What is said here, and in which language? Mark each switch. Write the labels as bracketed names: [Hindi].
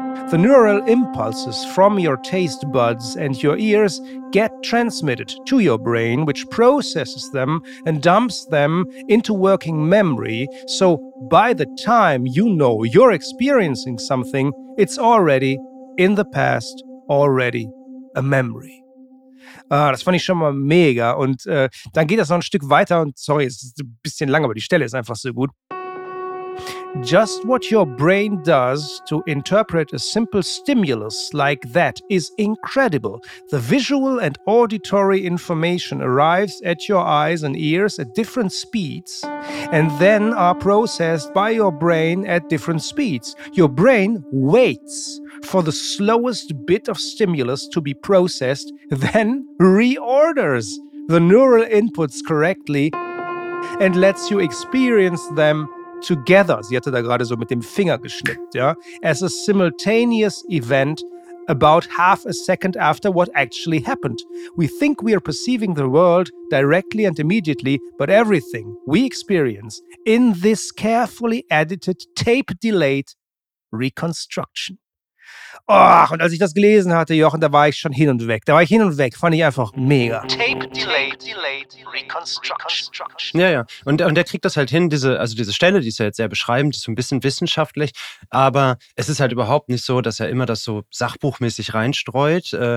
[English] The neural impulses from your taste buds and your ears get transmitted to your brain, which processes them and dumps them into working memory. So by the time you know you're experiencing something, it's already in the past, already a memory. [German] Ah, das fand ich schon mal mega. Und dann geht das noch ein Stück weiter. Und sorry, es ist ein bisschen lang, aber die Stelle ist einfach so gut. [English] Just what your brain does to interpret a simple stimulus like that is incredible. The visual and auditory information arrives at your eyes and ears at different speeds and then are processed by your brain at different speeds. Your brain waits for the slowest bit of stimulus to be processed, then reorders the neural inputs correctly and lets you experience them together. [German] Sie hatte da gerade so mit dem Finger geschnippt, ja. [English] As a simultaneous event about half a second after what actually happened. We think we are perceiving the world directly and immediately, but everything we experience in this carefully edited tape-delayed reconstruction. [German] Ach, und als ich das gelesen hatte, Jochen, da war ich schon hin und weg. Da war ich hin und weg. Fand ich einfach mega. [English] Tape delayed reconstruction. [German] Ja, ja. Und der kriegt das halt hin, diese Stelle, die ist ja jetzt sehr beschreibend, die ist so ein bisschen wissenschaftlich. Aber es ist halt überhaupt nicht so, dass er immer das so sachbuchmäßig reinstreut.